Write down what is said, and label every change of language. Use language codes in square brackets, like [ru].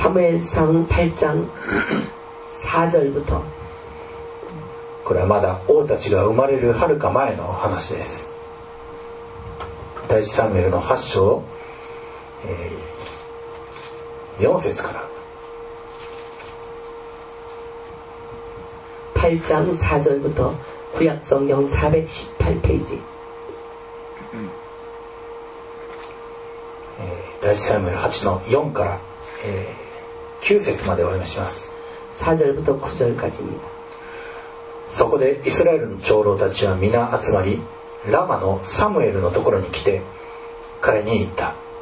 [ko] サムエル상8장4절부터 [ja] これはまだ王たちが生まれるはるか前の話です。第1サムエルの8章、4節から。 [ko] 8장4절부터구약성경418페이지 [ja] 第1サムエル8の4から、9節までお読みします。 [ko] 4절부터9절까지입니다。 [ja] そこでイスラエルの長老たちは皆集まり、ラマのサムエルのところに来て彼に言った。